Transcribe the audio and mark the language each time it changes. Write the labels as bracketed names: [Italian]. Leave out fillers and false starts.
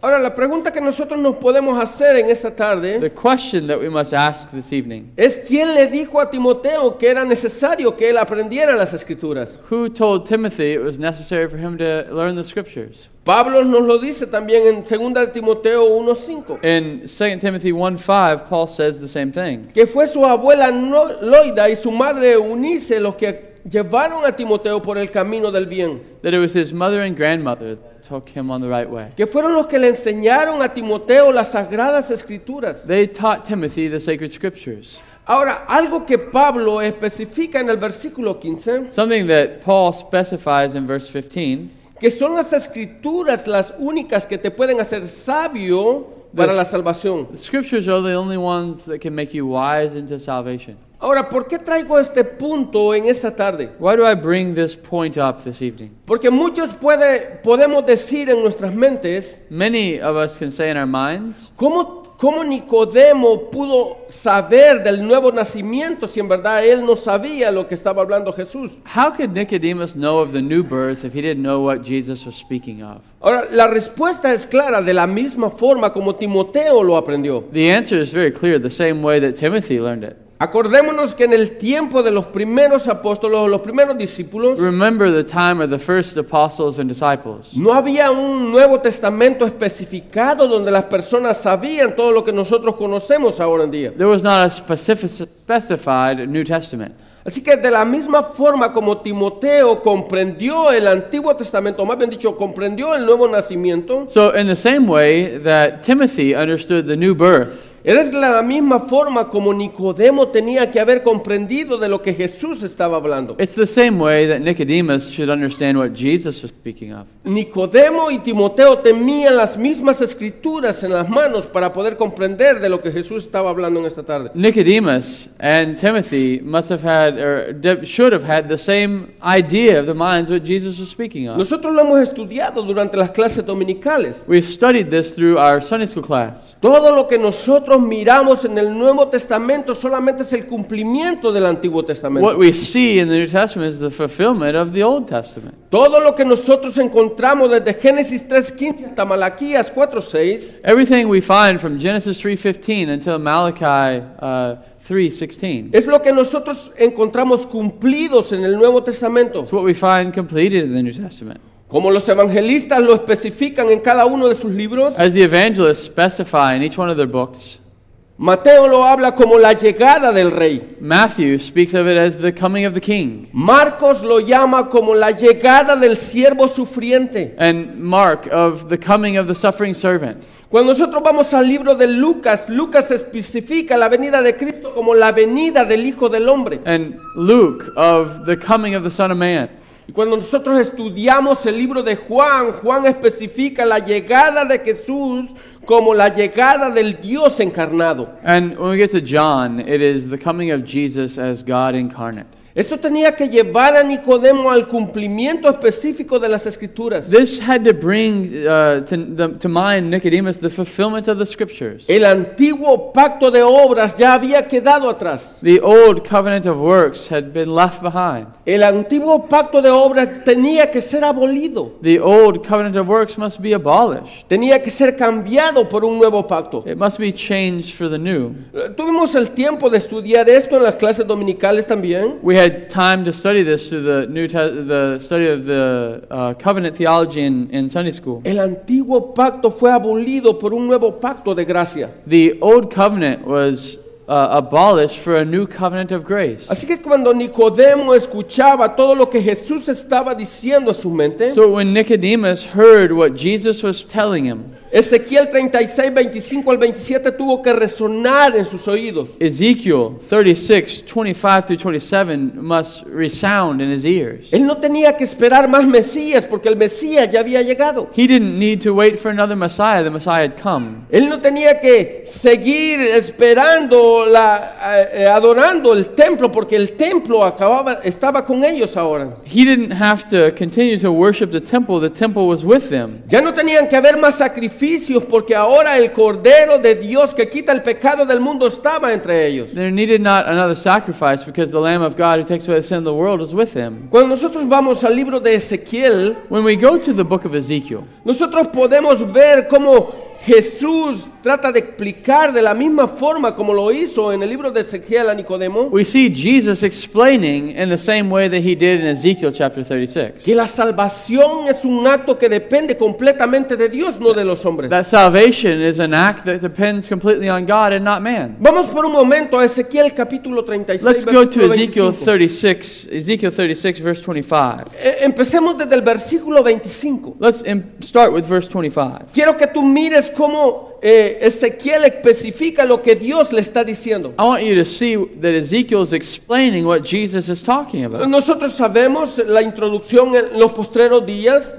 [Spanish] Ahora, la pregunta que nosotros nos podemos hacer en esta tarde, [English] the question that we must ask this evening, [Spanish] es quién le dijo a Timoteo que era necesario que él aprendiera las escrituras. [English] Who told Timothy it was necessary for him to learn the scriptures? [Spanish] Pablo nos lo dice también en 2 Timoteo 1:5. [English] In 2 Timothy 1:5, Paul says the same thing. [Spanish] Que fue su abuela Loida y su madre Eunice los que llevaron a Timoteo por el camino del bien. [English] That it was his mother and grandmother that took him on the right way. [Spanish] Que fueron los que le enseñaron a Timoteo las sagradas escrituras. [English] They taught Timothy the sacred scriptures. [Spanish] Ahora, algo que Pablo especifica en el versículo 15. [English] Something that Paul specifies in verse 15. [Spanish] Que son las escrituras las únicas que te pueden hacer sabio para la salvación. [English] The scriptures are the only ones that can make you wise into salvation. [Spanish] Ahora, ¿por qué traigo este punto en esta tarde? [English] Why do I bring this point up this evening? [Spanish] Porque muchos podemos decir en nuestras mentes, [English] many of us can say in our minds, [Spanish] ¿Cómo Nicodemo pudo saber del nuevo nacimiento si en verdad él no sabía lo que estaba hablando Jesús? [English] How could Nicodemus know of the new birth if he didn't know what Jesus was speaking of? [Spanish] Ahora, la respuesta es clara, de la misma forma como Timoteo lo aprendió. [English] The answer is very clear, the same way that Timothy learned it. [Spanish] Acordémonos que en el tiempo de los primeros apóstoles o los primeros discípulos, [English] remember the time of the first apostles and disciples. [Spanish] No había un Nuevo Testamento especificado donde las personas sabían todo lo que nosotros conocemos ahora en día. [English] There was not a specified New Testament. [Spanish] Así que de la misma forma como Timoteo comprendió el Antiguo Testamento, más bien dicho, comprendió el Nuevo Nacimiento. [English] So in the same way that Timothy understood the new birth. [Spanish] Es de la misma forma como Nicodemo tenía que haber comprendido de lo que Jesús estaba hablando. [English] It's the same way that Nicodemus should understand what Jesus was speaking of. [Spanish] Nicodemo y Timoteo tenían las mismas escrituras en las manos para poder comprender de lo que Jesús estaba hablando en esta tarde. [English] Nicodemus and Timothy must have had or should have had the same idea of the minds what Jesus was speaking of. [Spanish] Nosotros lo hemos estudiado durante las clases dominicales. [English] We've studied this through our Sunday school class. [Spanish] Todo lo que nosotros miramos en el Nuevo Testamento solamente es el cumplimiento del Antiguo Testamento. [English] What we see in the New Testament is the fulfillment of the Old Testament. [Spanish] Todo lo que nosotros encontramos desde Génesis 3:15 hasta Malaquías 4:6. [English] Everything we find from Genesis 3:15 until Malachi 3:16. [Spanish] Es lo que nosotros encontramos cumplidos en el Nuevo Testamento. [English] It's what we find completed in the New Testament. [Spanish] Como los evangelistas lo especifican en cada uno de sus libros. [English] As the evangelists specify in each one of their books. [Spanish] Mateo lo habla como la llegada del rey. [English] Matthew speaks of it as the coming of the king. [Spanish] Marcos lo llama como la llegada del siervo sufriente. [English] And Mark of the coming of the suffering servant. [Spanish] Cuando nosotros vamos al libro de Lucas, Lucas especifica la venida de Cristo como la venida del Hijo del Hombre. [English] And Luke of the coming of the Son of Man. [Spanish] Y cuando nosotros estudiamos el libro de Juan, Juan especifica la llegada de Jesús como la llegada del Dios encarnado. [English] And when we get to John, it is the coming of Jesus as God incarnate. [Spanish] Esto tenía que llevar a Nicodemo al cumplimiento específico de las Escrituras. [English] This had to bring to mind Nicodemus the fulfillment of the Scriptures. [Spanish] El antiguo pacto de obras ya había quedado atrás. [English] The old covenant of works had been left behind. [Spanish] El antiguo pacto de obras tenía que ser abolido. [English] The old covenant of works must be abolished. [Spanish] Tenía que ser cambiado por un nuevo pacto. [English] It must be changed for the new. [Spanish] Tuvimos el tiempo de estudiar esto en las clases dominicales también. [English] We had time to study this through the study of the covenant theology in Sunday school. [Spanish] El antiguo pacto fue abolido por un nuevo pacto de gracia. [English] The old covenant was abolished for a new covenant of grace. [Spanish] Así que cuando Nicodemo escuchaba todo lo que Jesús estaba diciendo a su mente, [English] so when Nicodemus heard what Jesus was telling him, [Spanish] Ezequiel 36, 25 al 27 tuvo que resonar en sus oídos. [English] Ezekiel 36, 25 through 27 must resound in his ears. [Spanish] Él no tenía que esperar más Mesías porque el Mesías ya había llegado. [English] He didn't need to wait for another Messiah. The Messiah had come. [Spanish] Él no tenía que seguir esperando la adorando el templo porque el templo acababa estaba con ellos ahora. [English] He didn't have to continue to worship the temple. The temple was with them. [Spanish] Ya no tenían que haber más sacrificios. Porque ahora el Cordero de Dios que quita el pecado del mundo estaba entre ellos. [English] There needed not another sacrifice because the Lamb of God who takes away the sin of the world was with him. [Spanish] Cuando nosotros vamos al libro de Ezequiel, [English] when we go to the book of Ezekiel, [Spanish] nosotros podemos ver cómo Jesús trata de explicar de la misma forma como lo hizo en el libro de Ezequiel a Nicodemo. [English] We see Jesus explaining in the same way that he did in Ezekiel chapter 36. [Spanish] Que la salvación es un acto que depende completamente de Dios, no de los hombres. [English] That salvation is an act that depends completely on God and not man. [Spanish] Vamos por un momento a Ezequiel capítulo 36. [English] Let's go to Ezekiel 36 verse 25. [Spanish] Empecemos desde el versículo 25. [English] Let's start with verse 25. [Spanish] Quiero que tú mires cómo Ezequiel especifica lo que Dios le está diciendo. [English] I want you to see that Ezekiel is explaining what Jesus is talking about. [Spanish] Nosotros sabemos la introducción en los postreros días.